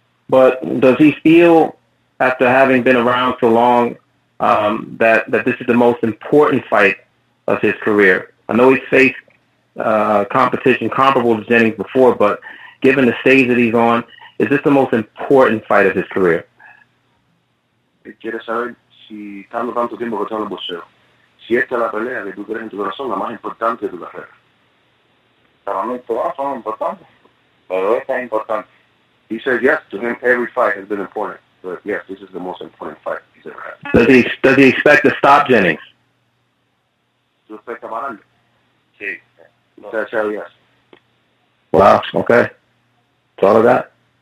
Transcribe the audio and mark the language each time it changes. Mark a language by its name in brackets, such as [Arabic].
[English] But does he feel, after having been around so long, that this is the most important fight of his career? I know he's faced competition comparable to Jennings before, but given the stage that he's on, is this the most important fight of his career? [Spanish] Quiero saber si estando tanto tiempo con el boxeo, si esta es la pelea que tú crees en tu corazón la más importante de tu carrera. Para mí todas son importantes, pero esta es importante. [English] He said yes, to him every fight has been important, but yes, this is the most important fight. Does he expect to stop Jennings? Do you expect to stop Jennings? Yes. Hell yes. Wow, okay. That's all of that.